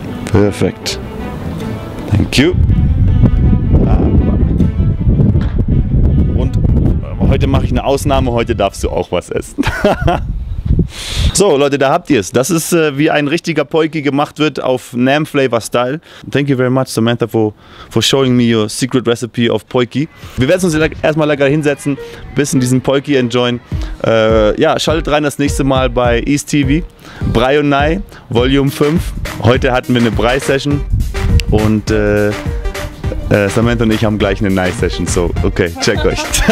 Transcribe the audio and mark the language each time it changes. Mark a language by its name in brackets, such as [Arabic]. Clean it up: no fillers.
[English] Perfekt. Thank you. [German] Und heute mache ich eine Ausnahme. Heute darfst du auch was essen. So, Leute, da habt ihr es. Das ist, wie ein richtiger Poiki gemacht wird auf Nam Flavor Style. [English] Thank you very much, Samantha, for showing me your secret recipe of Poiki. [German] Wir werden uns hier erstmal lecker hinsetzen, ein bisschen diesen Poiki enjoyen. Ja, schaltet rein das nächste Mal bei East TV. Brei und Nai, Volume 5. Heute hatten wir eine Brei-Session und Samantha und ich haben gleich eine Nai-Session. So, okay, check euch.